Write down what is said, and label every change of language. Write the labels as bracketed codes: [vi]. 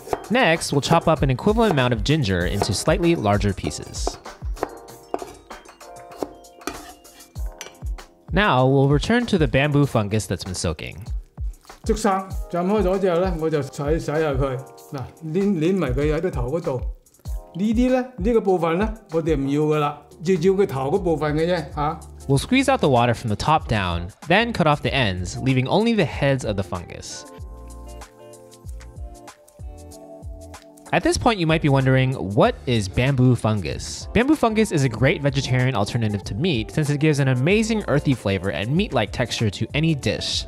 [en] Next, we'll chop up an equivalent amount of ginger into slightly larger pieces. Now, we'll return to the bamboo fungus that's been soaking. [zh] 竹生,浸開了之後,我就洗一洗它。捏捏在頭部。這個部分,我們不要的了。只要頭部分而已。 [en] We'll squeeze out the water from the top down, then cut off the ends, leaving only the heads of the fungus. At this point, you might be wondering, what is bamboo fungus? Bamboo fungus is a great vegetarian alternative to meat since it gives an amazing earthy flavor and meat-like texture to any dish.